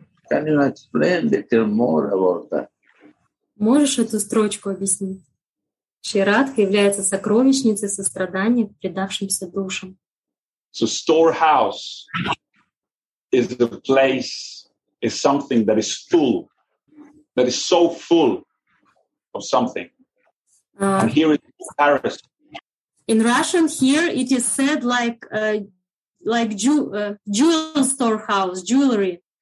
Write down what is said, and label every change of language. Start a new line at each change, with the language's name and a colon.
English: Can you explain a little more about that?
Russian: Можешь эту строчку объяснить? Sri Radha является сокровищницей сострадания к предавшимся душам.
English: So storehouse is the place, is something that is full, that is so full of something. And here is Paris. In Russian, here it is said like jewel storehouse, jewelry.